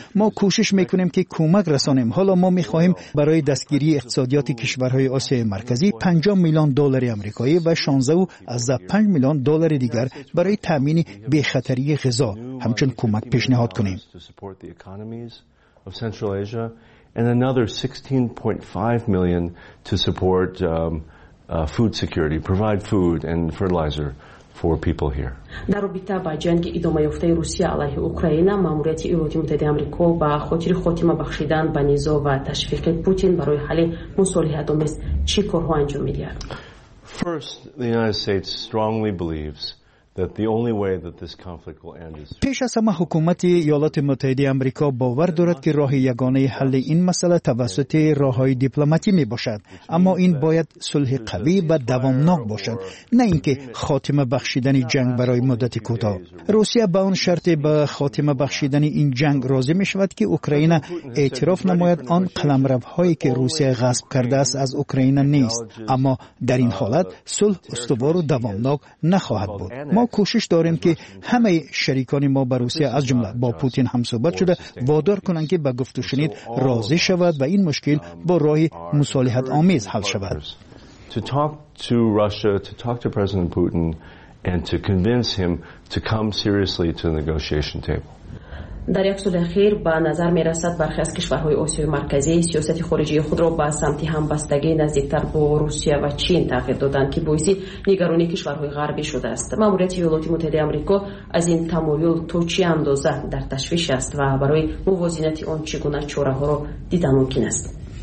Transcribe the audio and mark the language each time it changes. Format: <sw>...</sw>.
<fa>ما کوشش می‌کنیم که کمک رسانیم. حالا ما می‌خواهیم برای دستگیری اقتصادیات کشورهای آسیای مرکزی 50 میلیون دلار آمریکایی و 16.5 میلیون دلار دیگر برای تامین بی‌خطری غذا همچون کمک پیشنهاد کنیم.</fa> <en>And another 16.5 million to support food security, provide food and fertilizer for people here.</en> <fa>در رابطه با جنگ ادامه یافته روسیه علیه اوکراین، ماموریت ایالات متحده آمریکا با خاطر خاتمه بخشیدن به نزاع و تشویق پوتین برای حل مصالحه‌آمیز چی کارها انجام می‌دهد؟</fa> <en>First, the United States strongly believes that the only way that this conflict will end is</en> <fa>پیش از همه حکومت ایالات متحده آمریکا باور دارد که راه یگانه حل این مسئله توسط راه‌های دیپلماتیک میباشد، اما این باید صلح قوی و دوامناک باشد، نه اینکه خاتمه بخشیدن جنگ برای مدت کوتاه. روسیه به آن شرط به خاتمه بخشیدن این جنگ راضی میشود که اوکراین اعتراف نماید آن قلمروهایی که روسیه غصب کرده است از اوکراین نیست، اما در این حالت صلح استوار و دوامناک نخواهد بود. ما کوشش داریم که همه شریکان ما به روسیه از جمله با پوتین هم صحبت شده وادار کنند که به گفت و شنید راضی شود و این مشکل با راه مصالحت آمیز حل شود.</fa> <en>To talk to Russia, to talk to President Putin and to convince him to come seriously to the negotiation table.</en> <fa>در یک سال اخیر به نظر می رسد برخی از کشورهای آسیای مرکزی سیاست خارجی خود را به سمت همبستگی نزدیکتر با روسیه و چین تغییر دادند که باعث نگرانی کشورهای غربی شده است. ماموریت ایالات متحده آمریکا از این تمایل تا چه اندازه در تشویش است و برای موازنت آن چگونه چاره ها را دیدن ممکن است؟</fa>